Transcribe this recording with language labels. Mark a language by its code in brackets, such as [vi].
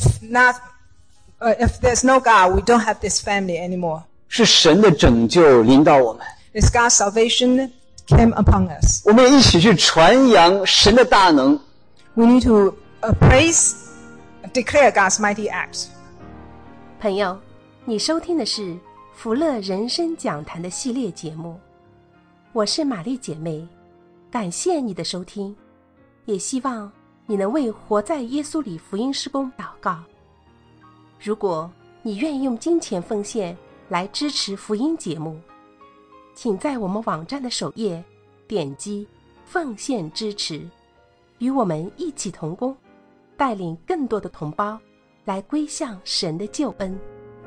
[en] If there's no God, we don't have this family anymore. [zh] 是神的拯救临到我们。 [en] It's God's salvation came upon us. [zh] 我们一起去传扬神的大能。 [en] We need to praise, declare God's mighty acts. [zh] 朋友，你收听的是福乐人生讲坛的系列节目，我是玛丽姐妹，感谢你的收听，也希望你能为活在耶稣里福音事工祷告。如果你愿意用金钱奉献来支持福音节目，请在我们网站的首页点击奉献支持，与我们一起同工，带领更多的同胞来归向神的救恩。